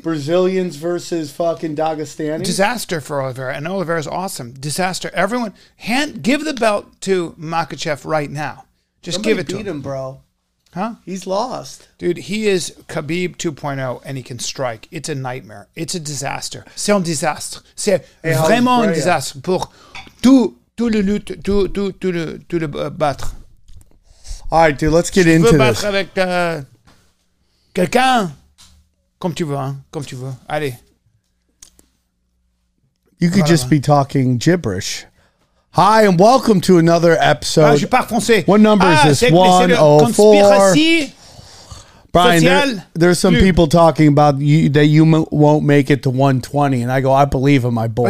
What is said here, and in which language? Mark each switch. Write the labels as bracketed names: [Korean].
[English] Brazilians versus fucking Dagestani. Disaster for Oliveira. And Oliveira is awesome. Disaster. Everyone, give the belt to Makhachev right now. Just give it to him. Somebody beat him, bro. Huh? He's lost. Dude, he is Khabib 2.0, and he can strike. It's a nightmare. It's a disaster. [French] C'est un disaster. C'est vraiment un disaster pour tout le lutte, tout le battre. [English] All right, dude, let's get into this. [French] Avec quelqu'un, comme tu veux, hein? Comme tu veux. Allez. [English] You could just be talking gibberish. Hi, and welcome to another episode. [French] Je parle français. [English] What number is this? 104. Brian, there's some people talking about you, that you won't make it to 120, and I go, I believe in my boy.